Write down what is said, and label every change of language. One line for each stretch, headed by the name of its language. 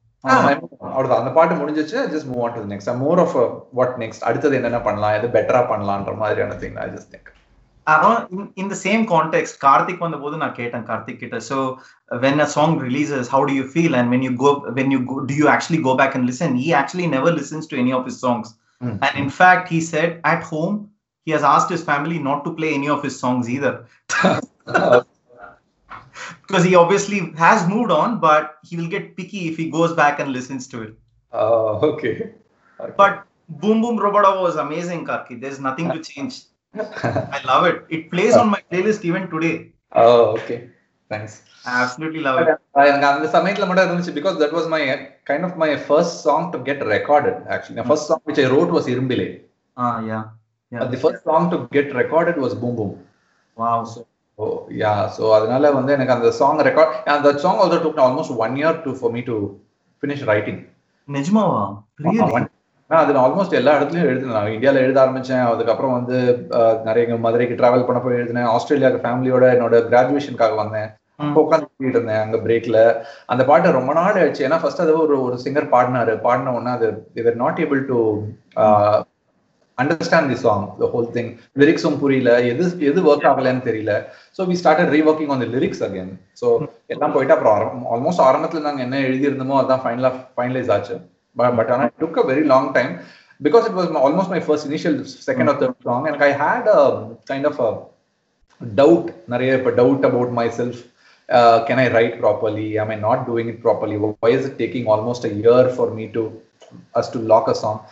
English: out
Tamil: அந்த பாட்டு முடிஞ்சிச்சு,
English: just move on to the next. I'm more of a what next,
Tamil: அடுத்தது என்ன பண்ணலாம், எது பெட்டரா பண்ணலாம்ன்ற மாதிரியான
English: thing I just think. In the same context,
Tamil: Karthik வந்த போது நான் கேட்டேன் கார்த்திக் கிட்ட,
English: so when a song releases how do you feel and when you go, do you actually go back and listen? He actually never listens to any of his songs. Mm-hmm. And in fact he said at home he has asked his family not to play any of his songs either. Because he obviously has moved on, but he will get picky if he goes back and listens to it. Okay. But Boom Boom Robada was amazing, Karki. There's nothing to change. I love it. It plays on my playlist even today. Okay. Thanks. Absolutely love it. And the
Tamil: samayathil mada irundhuchu
English: because that was my kind of my first song to get recorded, actually. The first song which I wrote was Irumbile. Yeah. The first song to get recorded was Boom Boom. Wow.
Tamil: So அதனால வந்து எனக்கு அந்த song record அந்த song also
English: took almost 1 year to for me to finish writing.
Tamil: நிஜமாவா? ஆனால் அது நான் almost எல்லா இடத்துலையும் எழுதினேன். நான் இந்தியாவில் எழுத ஆரம்பித்தேன், அதுக்கப்புறம் வந்து நிறைய எங்கள் மதுரைக்கு ட்ராவல் பண்ண போய் எழுதினேன், ஆஸ்திரேலியாவுக்கு ஃபேமிலியோட என்னோட கிராஜுவேஷனுக்காக வந்தேன், உட்காந்து எழுதிட்டு இருந்தேன் அங்கே பிரேக்கில். அந்த பாட்டை ரொம்ப நாள் ஆயிடுச்சு, ஏன்னா ஃபர்ஸ்ட் அது ஒரு சிங்கர் பாடினாரு, பாடின உடனே அது இவர்
English: not able to understand the song, the whole thing,
Tamil: லிரிக்ஸும் புரியல, எது ஒர்க் ஆகலன்னு தெரியல.
English: So we started reworking on the lyrics again.
Tamil: So எல்லாம் போயிட்டு அப்புறம் ஆல்மோஸ்ட் ஆரம்பத்தில் நாங்கள் என்ன எழுதியிருந்தோமோ அதுதான் ஃபைனலைஸ் ஆச்சு.
English: But and it took a very long time because it was almost my first initial second or third song, and I had a kind of a doubt,
Tamil: nariya a doubt
English: about myself, can I write properly, am I not doing it properly, why is it taking almost a year for us to lock a song.